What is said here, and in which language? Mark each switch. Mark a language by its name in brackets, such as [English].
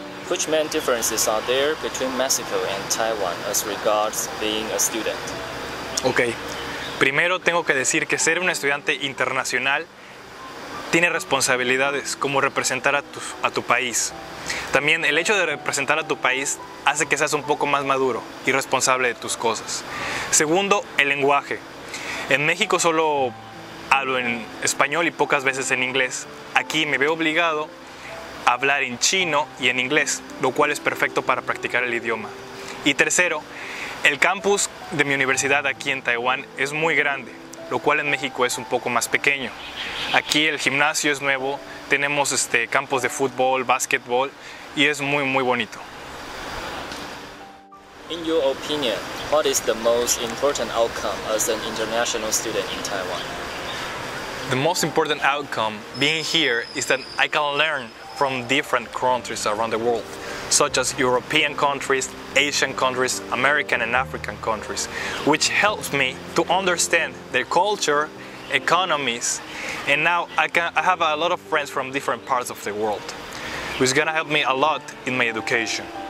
[English] Which main differences are there between Mexico and Taiwan as regards being a student? [Spanish] Okay, primero tengo que decir que ser un estudiante internacional tiene responsabilidades como representar a tu país. También el hecho de representar a tu país hace que seas un poco más maduro y responsable de tus cosas. Segundo, el lenguaje. En México solo hablo en español y pocas veces en inglés. Aquí me veo obligado hablar en chino y en inglés, lo cual es perfecto para practicar el idioma. Y tercero, el campus de mi universidad aquí en Taiwán es muy grande, lo cual en México es un poco más pequeño. Aquí el gimnasio es nuevo, tenemos campos de fútbol, básquetbol, y es muy, muy bonito. [English] In your opinion, what is the most important outcome as an international student in Taiwan? The most important outcome being here is that I can learn from different countries around the world, such as European countries, Asian countries, American and African countries, which helps me to understand their culture, economies, and now I have a lot of friends from different parts of the world, which is gonna help me a lot in my education.